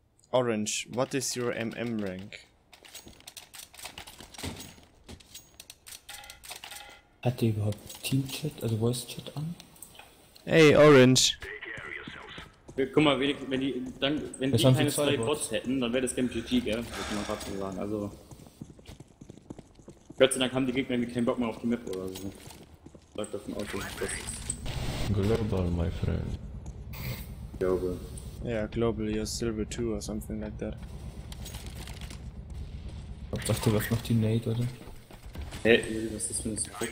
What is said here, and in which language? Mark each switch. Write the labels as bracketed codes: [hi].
[en] Orange, what is your MM rank? [de] Hat der überhaupt Teamchat, also Voice-Chat an? Hey, Orange! Guck mal, wenn die keine zwei Bots hätten, dann wäre das Game GG, gell? Muss man fast so sagen, also... Gott sei Dank haben die Gegner irgendwie keinen Bock mehr auf die Map oder so. Sag das im Auto. Das [en] global, my friend. Global. Yeah, global, you're silver too or something like that. [de] Ich dachte, was macht die Nate, oder? Was ist denn das?